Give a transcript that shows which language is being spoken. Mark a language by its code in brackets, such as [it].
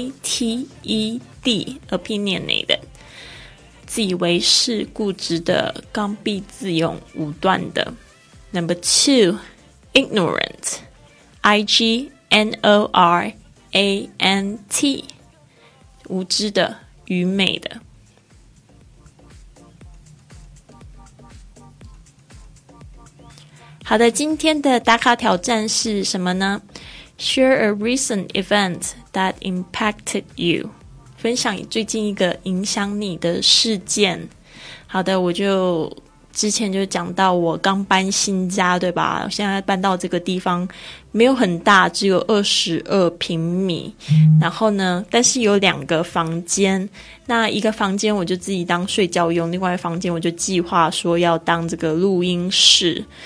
[en] Opinionated, O-P-I-N-I-O-N-A-T-E-D, opinionated, [zh] 自以为是、固执的、刚愎自用、武断的。 [en] Number two, ignorant, I-G-N-O-R-A-N-T, [zh] 无知的、愚昧的。好的，今天的打卡挑战是什么呢？ [en] Share a recent event that impacted you, [zh] 分享最近一个影响你的事件。好的，我就之前就讲到我刚搬新家对吧，现在搬到这个地方没有很大，只有22平米，然后呢但是有两个房间，那一个房间我就自己当睡觉用，另外一个房间我就计划说要当这个录音室。